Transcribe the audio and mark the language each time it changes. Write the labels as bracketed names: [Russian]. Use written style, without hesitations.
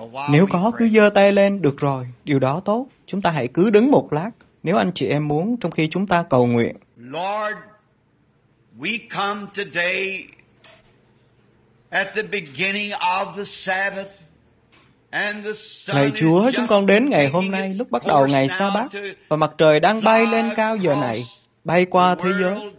[Vietnamese] Nếu có, cứ giơ tay lên, được rồi, điều đó tốt. Chúng ta hãy cứ đứng một lát, nếu anh chị em muốn, trong khi chúng ta cầu nguyện. [English] Lord, we come today at the beginning of the Sabbath. [Vietnamese] Lạy Chúa, chúng con đến ngày hôm nay, lúc bắt đầu ngày Sa-bát, và mặt trời đang bay lên cao giờ này, bay qua thế giới.